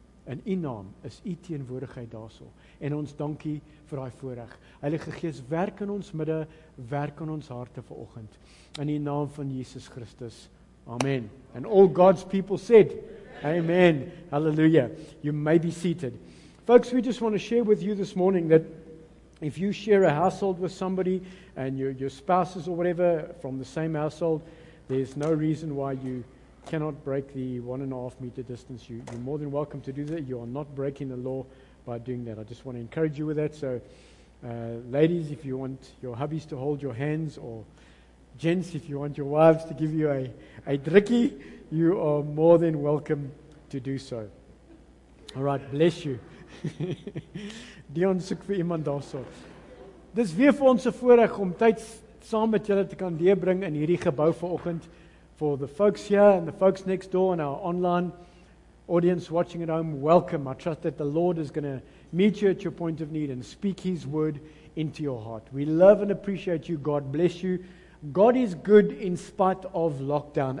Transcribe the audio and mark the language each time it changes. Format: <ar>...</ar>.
<af>In u naam is u teenwoordigheid daarso. En ons dankie vir daai voorreg. Heilige Gees, werk in ons midde, werk in ons harte vanoggend. In die naam van Jesus Christus. Amen.</af> <en>And all God's people said, Amen. Hallelujah. You may be seated. Folks, we just want to share with you this morning that if you share a household with somebody and your spouses or whatever from the same household, there's no reason why you cannot break the 1.5 meter distance. You're more than welcome to do that. You are not breaking the law by doing that. I just want to encourage you with that. So, ladies, if you want your hubbies to hold your hands, or gents, if you want your wives to give you a drikkie, you are more than welcome to do so. All right, bless you.</en> <af>Dion soek vir iemand daarso. Dis weer vir ons 'n voorreg om tyd saam met julle te kan deurbring in hierdie gebou vanoggend.</af> <en>For the folks here and the folks next door and our online audience watching at home, welcome. I trust that the Lord is going to meet you at your point of need and speak His word into your heart. We love and appreciate you. God bless you. God is good in spite of lockdown.</en>